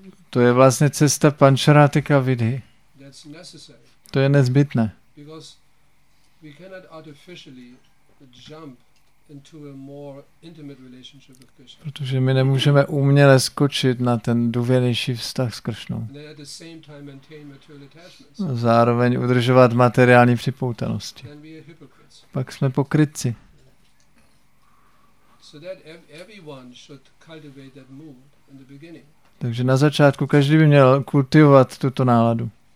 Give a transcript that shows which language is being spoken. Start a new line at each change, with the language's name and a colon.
Czech: To je vlastně cesta Pancharatika Vidhi. To je nezbytné.
English: we cannot artificially jump into a more intimate relationship with Krishna.
Czech: Protože my nemůžeme uměle skočit na ten důvěrnější vztah s Kršnou.
English: And at the same time maintain material attachments.
Czech: A zároveň udržovat materiální připoutanosti.
English: Then we are hypocrites.
Czech: Pak jsme pokrytci.
English: So that everyone should cultivate that mood in the beginning.
Czech: Takže na začátku každý by měl kultivovat tuto náladu.